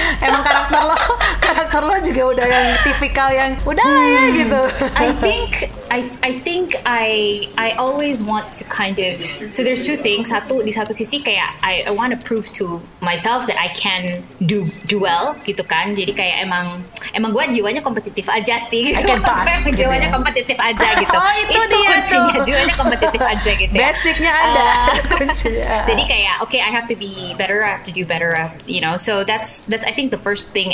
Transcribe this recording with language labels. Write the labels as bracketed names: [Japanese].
[Indonesian] Emang karakter lo juga udah yang tipikal yang udahlah ya gitu. [English] I think I always want to kind of, so there's two things. [Indonesian] Satu, di satu sisi kayak [English] I want to prove to myself that I can do well [Indonesian] gitu kan. Jadi kayak emang gue jiwanya kompetitif aja sih. Jiwanya kompetitif aja gitu. Itu kuncinya, jiwanya kompetitif aja gitu. Basicnya ada. Jadi kayak [English] okay, I have to be better, I have to do better, you know. So that's I think the first thing.